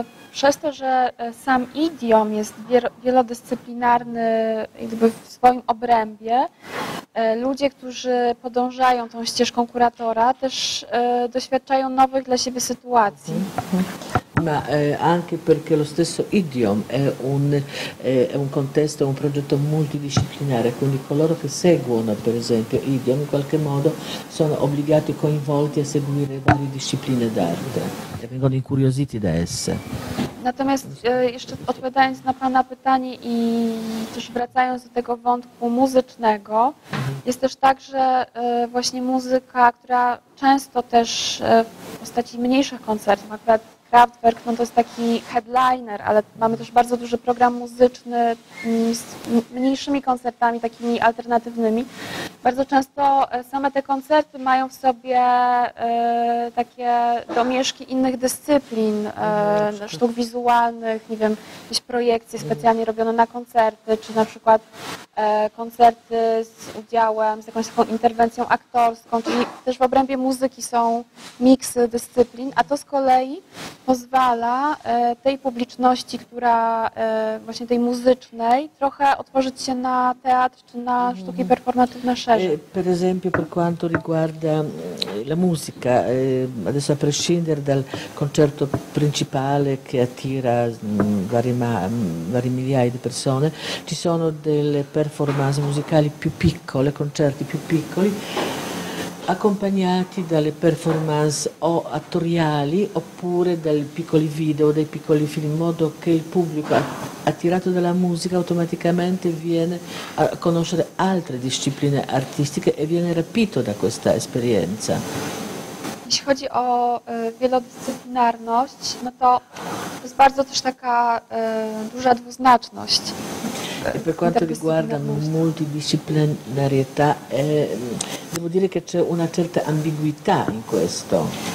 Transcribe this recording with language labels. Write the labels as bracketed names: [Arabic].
[Polish] Przez to, że sam idiom jest wielodyscyplinarny jakby w swoim obrębie, ludzie, którzy podążają tą ścieżką kuratora, też doświadczają nowych dla siebie sytuacji. [Italian] Ma anche perché lo stesso idiom è un contesto, è un progetto multidisciplinare, quindi coloro che seguono per esempio idiom in qualche modo sono obbligati, coinvolti a seguire varie discipline d'arte e vengono incuriositi da esse. [Polish] Natomiast jeszcze odpowiadając na Pana pytanie i też wracając do tego wątku muzycznego, jest też tak, że właśnie muzyka, która często też w postaci mniejszych koncertów, akurat Kraftwerk, no to jest taki headliner, ale mamy też bardzo duży program muzyczny z mniejszymi koncertami, takimi alternatywnymi. Bardzo często same te koncerty mają w sobie takie domieszki innych dyscyplin, sztuk wizualnych, nie wiem, jakieś projekcje specjalnie robione na koncerty, czy na przykład koncerty z udziałem, z jakąś taką interwencją aktorską, czyli też w obrębie muzyki są miksy dyscyplin, a to z kolei pozwala tej publiczności, która właśnie tej muzycznej, trochę otworzyć się na teatr czy na sztuki performatywne szerzej. [Italian] Per esempio, per quanto riguarda la musica, adesso a prescindere dal concerto principale che attira vari migliaia di persone, ci sono delle performance musicali più piccole, concerti più piccoli, accompagnati dalle performance o attoriali oppure dai piccoli video, dai piccoli film, in modo che il pubblico attirato dalla musica automaticamente viene a conoscere altre discipline artistiche e viene rapito da questa esperienza. [Polish] Jeśli chodzi o wielodyscyplinarność, no to jest bardzo też taka duża dwuznaczność. [Italian] E per quanto riguarda multidisciplinarietà, devo dire che c'è una certa ambiguità in questo.